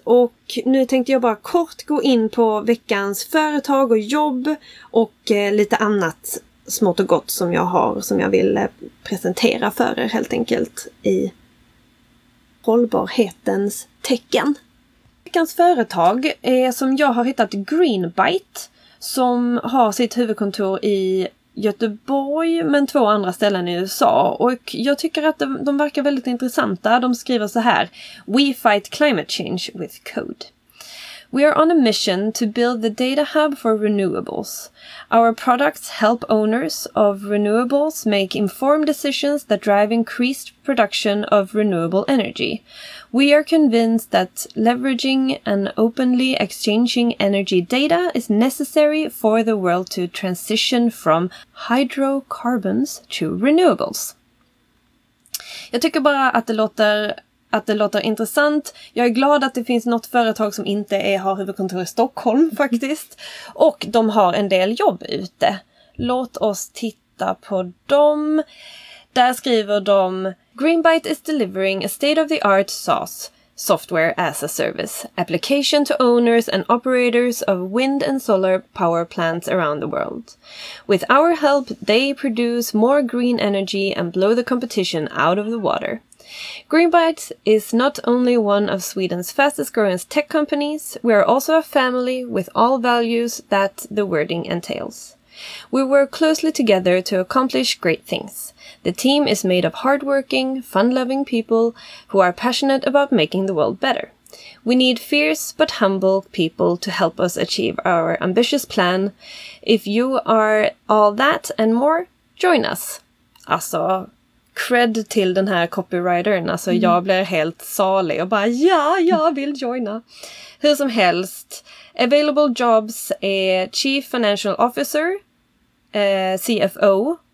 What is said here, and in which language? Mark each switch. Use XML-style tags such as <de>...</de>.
<sv>Och nu tänkte jag bara kort gå in på veckans företag och jobb och lite annat smått och gott som jag har, som jag vill presentera för er helt enkelt i hållbarhetens tecken. Veckans företag är, som jag har hittat, Greenbite, som har sitt huvudkontor i Göteborg, men 2 andra ställen i USA. Och jag tycker att de verkar väldigt intressanta. De skriver så här:</sv> <en>"We fight climate change with code. We are on a mission to build the data hub for renewables. Our products help owners of renewables make informed decisions that drive increased production of renewable energy. We are convinced that leveraging and openly exchanging energy data is necessary for the world to transition from hydrocarbons to renewables."</en> <sv>Jag tycker bara att det låter intressant. Jag är glad att det finns något företag som inte har huvudkontor i Stockholm faktiskt. Och de har en del jobb ute. Låt oss titta på dem. Där skriver de:</sv> <en>"Greenbite is delivering a state-of-the-art SaaS, software as a service, application to owners and operators of wind and solar power plants around the world. With our help, they produce more green energy and blow the competition out of the water. Greenbite is not only one of Sweden's fastest growing tech companies, we are also a family with all values that the wording entails. We work closely together to accomplish great things. The team is made of hardworking, fun-loving people who are passionate about making the world better. We need fierce but humble people to help us achieve our ambitious plan. If you are all that and more, join us."</en> <sv>Alltså, cred till den här copywritern. Alltså, jag blir helt salig och bara, ja, jag vill joina. Hur som helst,</sv> <en>available jobs</en> <sv>är Chief Financial Officer, CFO.</sv>